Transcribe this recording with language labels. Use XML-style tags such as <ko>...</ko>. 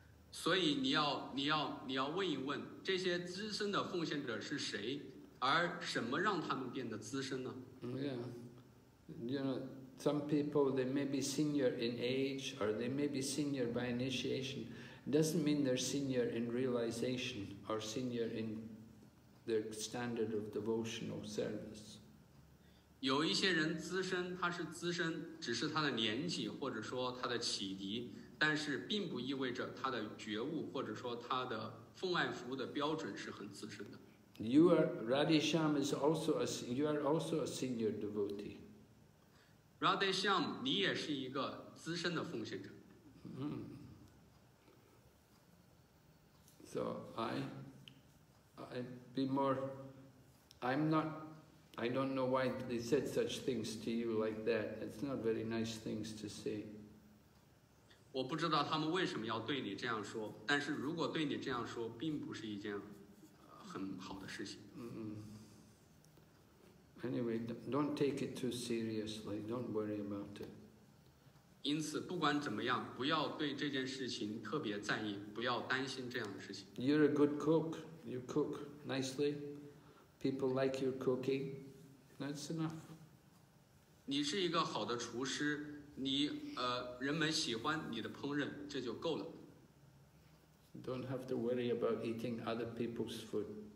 <zh>所以你要问一问, 这些资深的奉献者是谁? 而什么让他们变得资深呢?</zh> <en>Yeah. You know, some people, they may be senior in age, or they may be senior by initiation. Doesn't mean they're senior in realization, or senior in their standard of devotional service.</en> <zh>有一些人资深, 他是资深, 只是他的年纪, 或者说他的启迪, 但是并不意味着他的觉悟或者说他的奉爱服务的标准是很资深的。</zh> <en>You are, Radhisham is also a, you are also a senior devotee.</en> <zh>Radhisham, 你也是一个资深的奉献者。</zh> <en>So I'd be more, I'm not, I don't know why they said such things to you like that. It's not very nice things to say.</en> <zh>我不知道他们为什么要对你这样说，但是如果对你这样说，并不是一件很好的事情。</zh> <en>Anyway, don't take it too seriously. Don't worry about it.</en> <zh>因此，不管怎么样，不要对这件事情特别在意，不要担心这样的事情。</zh> <en>You're a good cook. You cook nicely. People like your cooking. That's enough.</en> <zh>你是一个好的厨师。你人们喜欢你的烹饪，这就够了。</zh> <en>Don't have to worry about eating other people's food.</en>